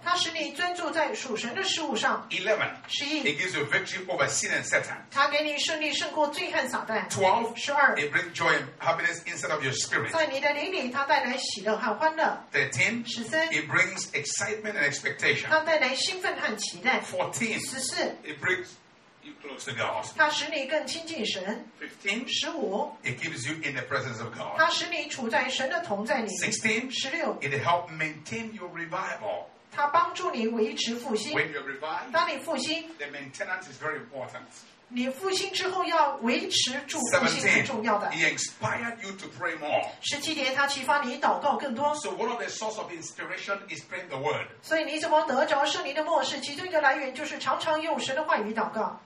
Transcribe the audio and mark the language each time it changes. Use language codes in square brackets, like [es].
[zh] 它使你专注在属神的事物上。 [en] 11, [zh] 十一 [en] it gives you victory over sin and Satan. [zh] 它给你胜利胜过罪和撒旦。 [en] 12, [zh] 十二 [en] it brings joy and happiness inside of your spirit. [zh] 在你的灵里，它带来喜乐和欢乐。 [en] 13, [zh] 十三 [en] it brings excitement and expectation. [zh] 它带来兴奋和期待。 [en] 14, [zh] 十四 [en] it brings you close to God. [zh] 它使你更亲近神。 [en] 15, [zh] 十五 [en] it keeps you in the presence of God. [zh] 它使你处在神的同在里。 [en] 16, [zh] 十六 [en] it helps maintain your revival. [zh] 它帮助你维持复兴。 [en] When you revive, [zh] 当你复兴 [en] the maintenance is very important. [zh] 你复兴之后要维持住复兴很重要的。 [en] 17, he inspired you to pray more. [zh] 十七节，他启发你祷告更多。 [en] So one of the source of inspiration is praying the word. [zh] 所以你怎么得着圣灵的默示？其中一个来源就是常常用神的话语祷告。